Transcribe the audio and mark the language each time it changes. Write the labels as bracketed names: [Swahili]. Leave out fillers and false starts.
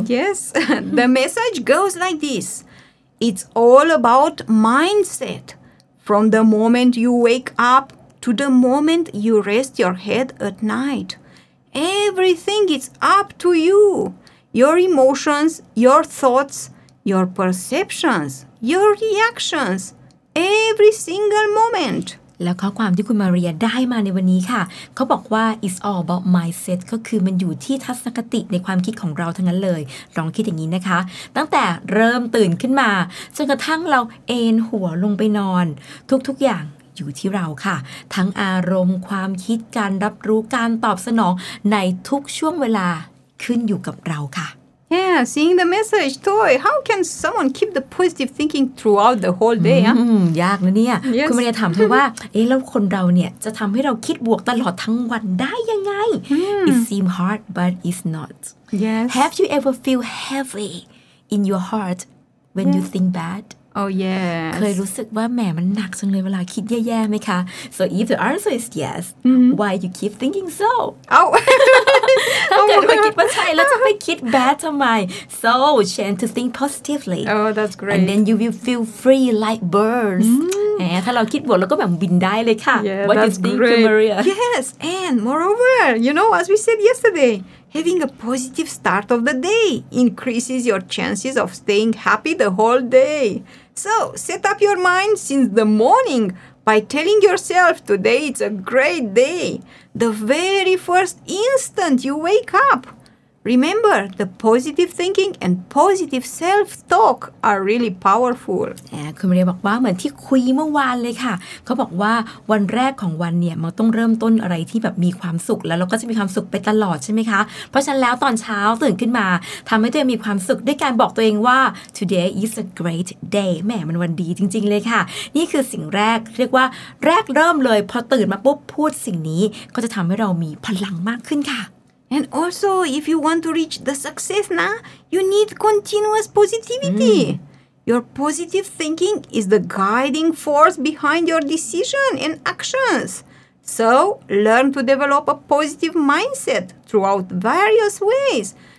[English] Yes, the message goes like this. It's all about mindset. From the moment you wake up to the moment you rest your head at night. Everything is up to you. Your emotions, your thoughts, your perceptions, your reactions. Every single moment. [Thai] แล้วข้อความที่คุณมาเรียได้มาในวันนี้ค่ะเขาบอกว่า [English] it's all about mindset [Thai] ก็คือมันอยู่ที่ทัศนคติในความคิดของเราทั้งนั้นเลยลองคิดอย่างนี้นะคะตั้งแต่เริ่มตื่นขึ้นมาจนกระทั่งเราเอนหัวลงไปนอนทุกอย่างอยู่ที่เราค่ะทั้งอารมณ์ความคิดการรับรู้การตอบสนองในทุกช่วงเวลาขึ้นอยู่กับเราค่ะ [English] Yeah, seeing the message, Toy, how can someone keep the positive thinking throughout the whole day? [Thai] ยากนะเนี่ยคุณมาเรียถามถึงว่าเอ๊ะแล้วคนเราเนี่ยจะทำให้เราคิดบวกตลอดทั้งวันได้ยังไง [English] It seems hard, but it's not. Yes. Have you ever feel heavy in your heart when you think bad? Oh, yes. [Thai] เคยรู้สึกว่าแหมมันหนักจังเลยเวลาคิดแย่ๆไหมคะ [English] So if the answer is yes, why you keep thinking so? Oh, [Thai] ถ้าเกิดมาคิดว่าใช่แล้วจะไปคิด bad ทำไม [English] so change to think positively oh that's great and then you will feel free like birds [Thai] ถ้าเราคิดบวกเราก็แบบบินได้เลยค่ะ [English] yeah, what is being to Maria yes and moreover you know as we said yesterday having a positive start of the day increases your chances of staying happy the whole day so set up your mind since the morningby telling yourself today it's a great day, the very first instant you wake up. Remember, the positive thinking and positive self-talk are really powerful. [Thai] คุณมาเรียบอกว่าเหมือนที่คุยเมื่อวานเลยค่ะเขาบอกว่าวันแรกของวันเนี่ยมันต้องเริ่มต้นอะไรที่แบบมีความสุขแล้วเราก็จะมีความสุขไปตลอดใช่ไหมคะเพราะฉะนั้นแล้วตอนเช้าตื่นขึ้นมาทำให้ตัวเองมีความสุขด้วยการบอกตัวเองว่า [English] today is a great day [Thai] แหมมันวันดีจริงๆเลยค่ะนี่คือสิ่งแรกเรียกว่าแรกเริ่มเลยพอตื่นมาปุ๊บพูดสิ่งนี้ก็จะทำให้เรามีพลังมากขึ้นค่ะ [English] And also, if you want to reach the success, you need continuous positivity. Your positive thinking is the guiding force behind your decision and actions. So, learn to develop a positive mindset throughout various ways,